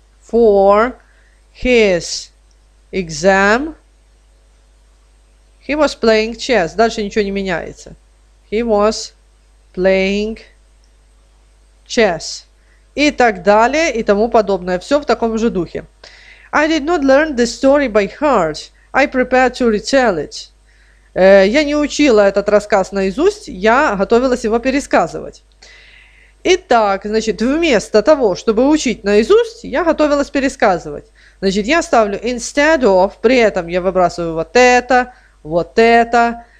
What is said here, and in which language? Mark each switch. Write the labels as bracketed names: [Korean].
[English] For his exam. He was playing chess. [Russian] Дальше ничего не меняется. [English] He was... Playing chess. [Russian] И так далее, и тому подобное. Все в таком же духе. [English] I did not learn the story by heart. I prepared to retell it. [Russian] Я не учила этот рассказ наизусть. Я готовилась его пересказывать. Итак, значит, вместо того, чтобы учить наизусть, я готовилась пересказывать. Значит, я ставлю instead of. При этом я выбрасываю вот это, вот это.